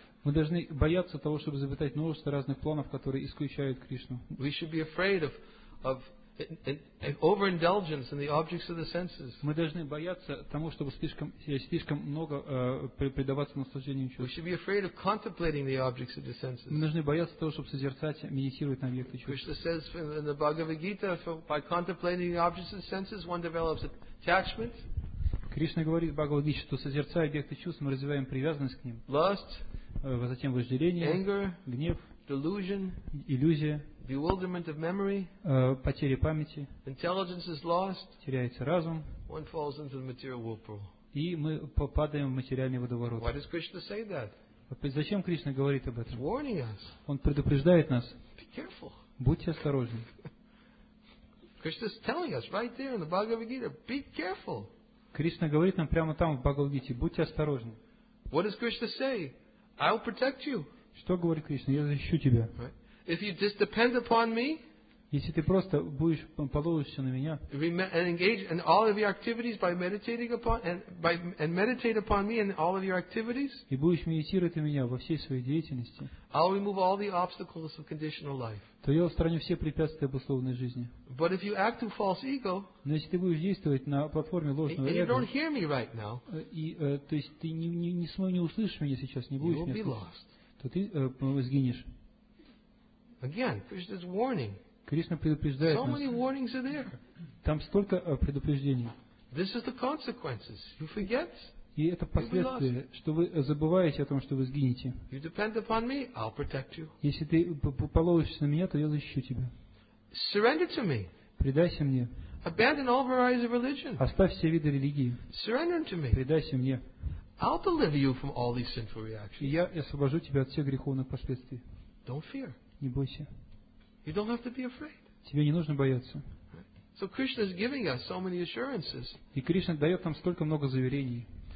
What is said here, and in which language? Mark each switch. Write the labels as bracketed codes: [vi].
[ru] Мы должны бояться того, чтобы изобретать множество разных планов, которые исключают Кришну. [en] We should be afraid of overindulgence in the objects of the senses. [ru] Мы должны бояться того, чтобы слишком много предаваться наслаждениям чувств. [en] We should be afraid of contemplating the objects of the senses. [ru] Мы должны бояться того, чтобы созерцать, медитировать на объекты чувств. [en] Krishna says in the Bhagavad Gita, by contemplating the objects of the senses, one develops attachment. [ru] Кришна говорит в Бхагавад Гите, что созерцая объекты чувств, мы развиваем привязанность к ним. [en] Lust. [ru] Затем вожделение, [en] anger, [ru] гнев, [en] delusion, [ru] иллюзия, [en] bewilderment of memory, [ru] потеря памяти, [en] intelligence is lost, [ru] теряется разум, [en] one falls into the material whirlpool. [ru] И мы попадаем в материальный водоворот. [en] Why does Krishna say that? [ru] Зачем Кришна говорит об этом? [en] Warning us. [ru] Он предупреждает нас. [en] Be careful. [ru] Будьте осторожны. [en] Krishna is telling us right there in the Bhagavad Gita, be careful. [ru] Кришна говорит нам прямо там в Бхагавад Гите, будьте осторожны. [en] What does Krishna say? I'll protect you. [ru] Что говорит Кришна? Я защищу тебя. [en] If you just depend upon me, [ru] если ты просто будешь положишься на меня, [en] and engage in all of your activities by meditating upon meditate upon me in all of your activities, [ru] и будешь медитировать на меня во всей своей деятельности, [en] I'll remove all the obstacles of conditional life. [ru] То я устраню все препятствия обусловленной жизни. [en] But if you act through false ego, [ru] но если ты будешь действовать на платформе ложного [en] эго, and you don't hear me right now, [ru] то есть ты не услышишь меня сейчас, не будешь меня слышать, то ты сгинешь. [en] Again, Krishna is warning. [ru] Кришна предупреждает нас. [en] So many warnings are there. [ru] Там столько предупреждений. [en] This is the consequences. You forget. [ru] И это последствия, что вы забываете о том, что вы сгинете. [en] You depend upon me, I'll protect you. [ru] Если ты положишься на меня, то я защищу тебя. [en] Surrender to me. [ru] Предайся мне. [en] Abandon all varieties of religion. [ru] Оставь все виды религии. [en] Surrender to me. [ru] Предайся мне. [en] I'll deliver you from all these sinful reactions. [ru] И я освобожу тебя от всех греховных последствий. [en] Don't fear. [ru] Не бойся. [en] You don't have to be afraid. [ru] Тебе не нужно бояться. [en] So Krishna is giving us so many assurances. [ru] И Кришна дает нам столько много заверений.